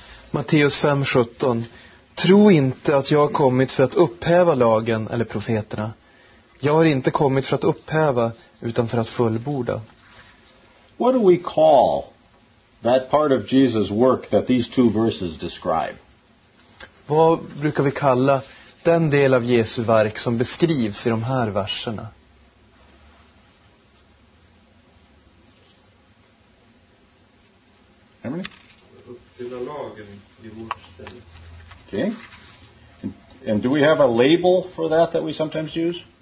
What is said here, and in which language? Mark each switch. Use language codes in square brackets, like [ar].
[sv] Matteus 5:17. Tro inte att jag har kommit för att upphäva lagen eller profeterna. Jag har inte kommit för att upphäva, utan för att fullborda. [en] What do we call that part of Jesus' work that these two verses describe? [sv] Vad brukar vi kalla den del av Jesu verk som beskrivs i de här verserna? Emily? Uppfylla lagen i vårt ställe. [en] Okay. And do we have a label for that that we sometimes use?